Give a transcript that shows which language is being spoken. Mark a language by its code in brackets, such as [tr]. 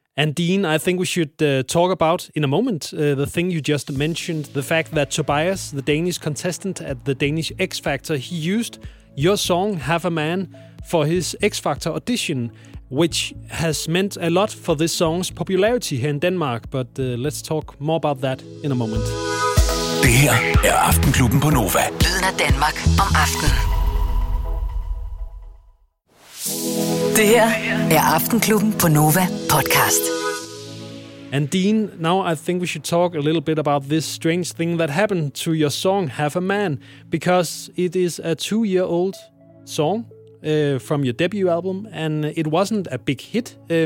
[en] And Dean, I think we should talk about in a moment the thing you just mentioned, the fact that Tobias, the Danish contestant at the Danish X Factor, he used your song, Half a Man, for his X Factor audition, which has meant a lot for this song's popularity here in Denmark. But let's talk more about that in a moment. [da] Det her er Aftenklubben på Nova. Lyden af Danmark om aftenen. Det her er Aftenklubben på Nova podcast. [en] And Dean, now I think we should talk a little bit about this strange thing that happened to your song, Half a Man, because it is a two-year-old song from your debut album, and it wasn't a big hit.